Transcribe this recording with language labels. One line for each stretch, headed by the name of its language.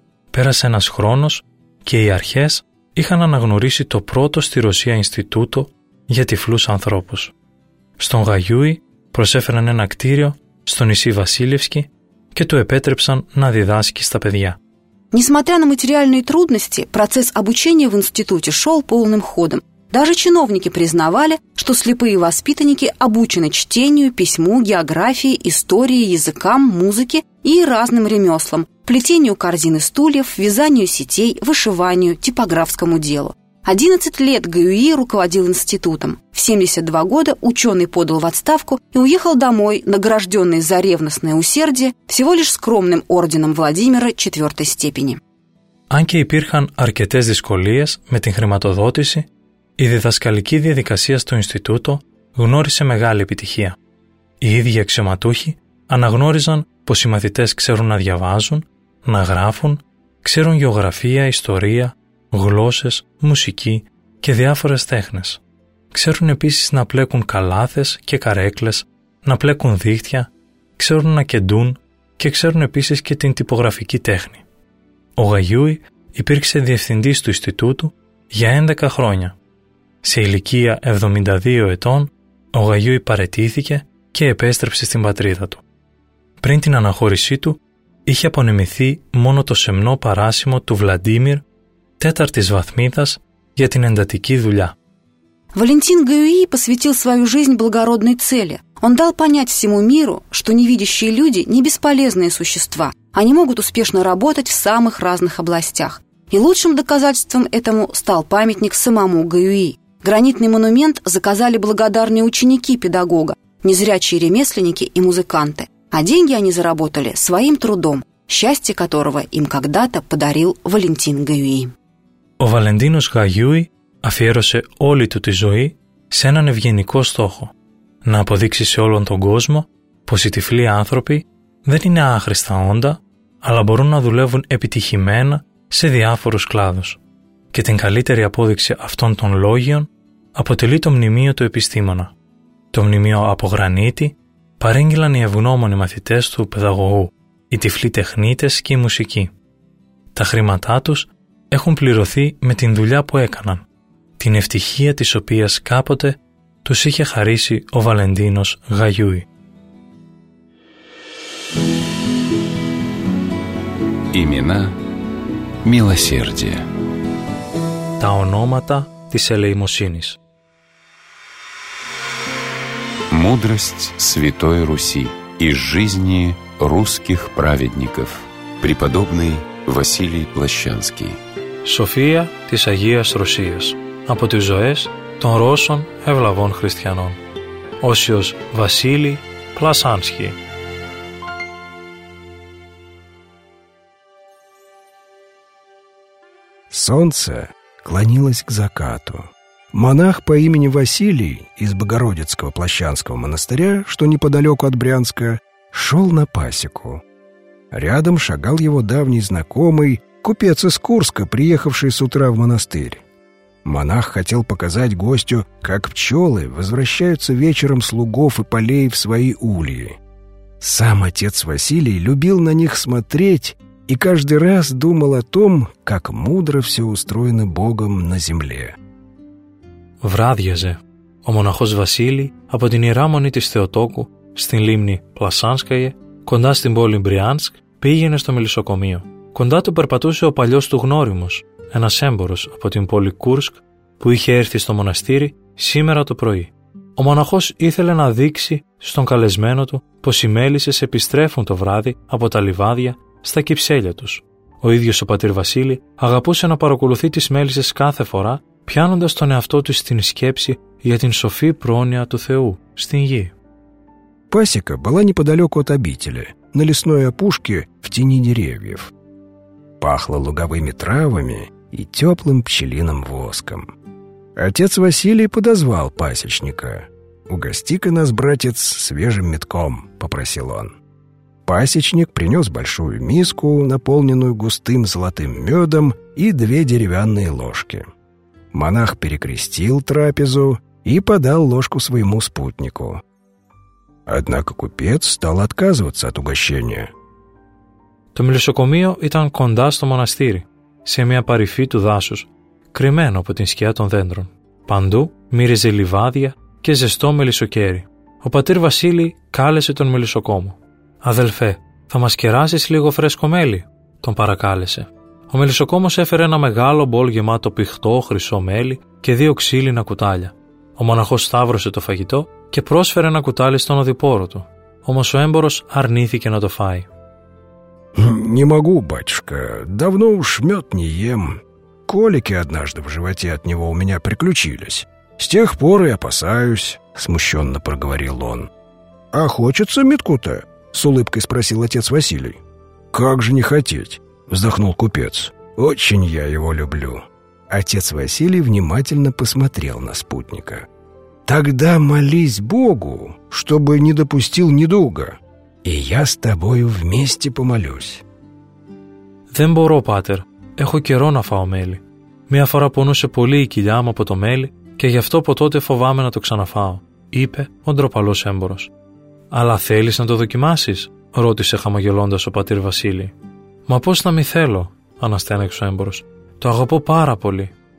Greek: Πέρασε ένας χρόνος και οι αρχές είχαν αναγνωρίσει το πρώτο στη Ρωσία Ινστιτούτο για τυφλούς ανθρώπους. Στον Γαγιούι προσέφεραν ένα κτίριο στο νησί Βασίλευσκι και του επέτρεψαν να διδάσκει στα παιδιά.
Russian: Несмотря на материальные трудности, процесс обучения в институте шел полным ходом. Даже чиновники признавали, что слепые воспитанники обучены чтению, письму, географии, истории, языкам, музыке и разным ремеслам, плетению корзин и стульев, вязанию сетей, вышиванию, типографскому делу. 11 лет Гюи руководил институтом. В 72 года ученый подал в отставку и уехал домой, награжденный за ревностное усердие всего лишь скромным орденом Владимира 4-й степени.
Greek: Αν και υπήρχαν αρκετές δυσκολίες με την χρηματοδότηση, η διδασκαλική διαδικασία στο Ινστιτούτο γνώρισε μεγάλη επιτυχία. Οι ίδιοι αξιωματούχοι αναγνώριζαν πως οι μαθητές ξέρουν να διαβάζουν, να γράφουν, ξέρουν γεωγραφία, ιστορία, γλώσσες, μουσική και διάφορες τέχνες. Ξέρουν επίσης να πλέκουν καλάθες και καρέκλες, να πλέκουν δίχτυα, ξέρουν να κεντούν και ξέρουν επίσης και την τυπογραφική τέχνη. Ο Γαγιούι υπήρξε διευθυντής του Ινστιτούτου για 11 χρόνια. Σε ηλικία 72 ετών, ο Γαγιούι παραιτήθηκε και επέστρεψε στην πατρίδα του. Πριν την αναχώρησή του, είχε απονεμηθεί μόνο το σεμνό παράσημο του Βλαντίμιρ Тетартис Вахмитас я тинендатики дуля.
Russian: Валентин Гюи посвятил свою жизнь благородной цели. Он дал понять всему миру, что невидящие люди не бесполезные существа. Они могут успешно работать в самых разных областях. И лучшим доказательством этому стал памятник самому Гюи. Гранитный монумент заказали благодарные ученики педагога, незрячие ремесленники и музыканты. А деньги они заработали своим трудом, счастье которого им когда-то подарил Валентин Гюи.
Greek: Ο Βαλεντίνος Γαγιούι αφιέρωσε όλη του τη ζωή σε έναν ευγενικό στόχο. Να αποδείξει σε όλον τον κόσμο πως οι τυφλοί άνθρωποι δεν είναι άχρηστα όντα, αλλά μπορούν να δουλεύουν επιτυχημένα σε διάφορους κλάδους. Και την καλύτερη απόδειξη αυτών των λόγιων αποτελεί το μνημείο του επιστήμονα. Το μνημείο από γρανίτη παρέγγειλαν οι ευγνώμονοι μαθητές του παιδαγωγού, οι τυφλοί τεχνίτες και οι μουσικοί. Τα χρήματά τους έχουν πληρωθεί με την δουλειά που έκαναν, την ευτυχία της οποίας κάποτε τους είχε χαρίσει ο Βαλεντίνος Γαγιούι.
Russian: Имена милосердия.
Greek: Τα ονόματα της ελεημοσύνης.
Russian: Мудрость Святой Руси из жизни русских праведников. Преподобный Василий Плащанский.
Greek: Σοφία της Αγίας Ρωσίας από τις ζωές των Ρώσων ευλαβών χριστιανών. Όσιος Βασίλη Πλασάνσκι.
Russian: Солнце клонилось к закату, Монах по имени Василий из Богородицкого Плащанского монастыря, что неподалеку от Брянска, шел на пасеку. Рядом шагал его давний знакомый, купец из Курска, приехавший с утра в монастырь. Монах хотел показать гостю, как пчелы возвращаются вечером с лугов и полей в свои ульи. Сам отец Василий любил на них смотреть и каждый раз думал о том, как мудро все устроено Богом на земле.
Greek: Βράδιαζε. Ο μοναχός Βασίλη από την ιεράμονη της Θεοτόκου στην λίμνη Πλασάνσκαγε, κοντά στην πόλη Μπριάνσκ, πήγαινε στο μελισσοκομείο. Κοντά του περπατούσε ο παλιός του γνώριμος, ένας έμπορος από την πόλη Κούρσκ που είχε έρθει στο μοναστήρι σήμερα το πρωί. Ο μοναχός ήθελε να δείξει στον καλεσμένο του πως οι μέλισσες επιστρέφουν το βράδυ από τα λιβάδια στα κυψέλια τους. Ο ίδιος ο πατήρ Βασίλη αγαπούσε να παρακολουθεί τις μέλισσες κάθε φορά, πιάνοντας τον εαυτό του στην σκέψη για την σοφή πρόνοια του Θεού στην γη.
Russian: Пасека была неподалеку от обители, на лесной опушке в тени деревьев. Пахло луговыми травами и теплым пчелиным воском. Отец Василий подозвал пасечника. «Угости-ка нас, братец, свежим метком», — попросил он. Пасечник принес большую миску, наполненную густым золотым медом, и две деревянные ложки. Монах перекрестил трапезу и подал ложку своему спутнику. Однако купец стал отказываться от угощения.
Greek: Το μελισσοκομείο ήταν κοντά στο μοναστήρι, σε μια παρυφή του δάσους, κρυμμένο από την σκιά των δέντρων. Παντού μύριζε λιβάδια και ζεστό μελισσοκέρι. Ο πατήρ Βασίλη κάλεσε τον μελισσοκόμο. «Αδελφέ, θα μας κεράσεις λίγο φρέσκο μέλι», τον παρακάλεσε. Ο μελισσοκόμος έφερε ένα μεγάλο μπολ γεμάτο πηχτό χρυσό μέλι και δύο ξύλινα κουτάλια. Ο μοναχός σταύρωσε το φαγητό και πρόσφερε ένα κουτάλι στον οδηπόρο του. Όμως ο έμπορος αρνήθηκε να το φάει.
Russian: «Не могу, батюшка, давно уж мед не ем. Колики однажды в животе от него у меня приключились. С тех пор и опасаюсь», — смущенно проговорил он. «А хочется медку-то?» — с улыбкой спросил отец Василий. «Как же не хотеть?» — вздохнул купец. «Очень я его люблю». Отец Василий внимательно посмотрел на спутника. «Тогда молись Богу, чтобы не допустил недуга, и я с тобою вместе помолюсь».
Greek: «Δεν μπορώ, Πάτερ. Έχω καιρό να φάω μέλι. Μια φορά πονούσε πολύ η κοιλιά μου από το μέλι και γι' αυτό από τότε φοβάμαι να το ξαναφάω», είπε ο ντροπαλός έμπορος. «Αλλά θέλεις να το δοκιμάσεις?» ρώτησε χαμογελώντας ο πατήρ Βασίλη. «Μα πώς να μη θέλω», αναστέναξε ο έμπορος. «Το αγαπώ πάρα πολύ».